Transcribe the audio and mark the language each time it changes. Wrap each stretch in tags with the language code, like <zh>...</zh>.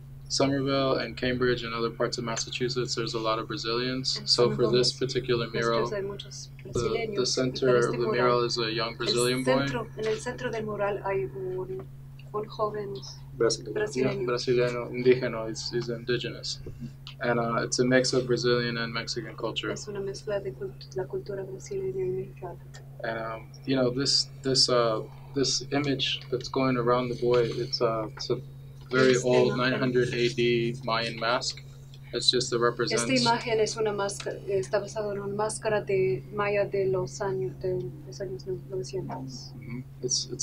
<en>Somerville and Cambridge and other parts of Massachusetts, there's a lot of Brazilians. So for this particular mural, the center of the mural is a young Brazilian boy.</en> <es>En el centro del mural hay un joven brasileño, indígena.</es> <en>He's indigenous, and it's a mix of Brazilian and Mexican culture.</en> <es>Es una mezcla de la cultura brasileña y mexicana.</es> <en>And you know, this image that's going around the boy, it's a very old 900 AD Mayan mask. It's just that represents.</en> <es>Esta imagen es una máscara, está basada en una máscara de Maya de los años 900.</es>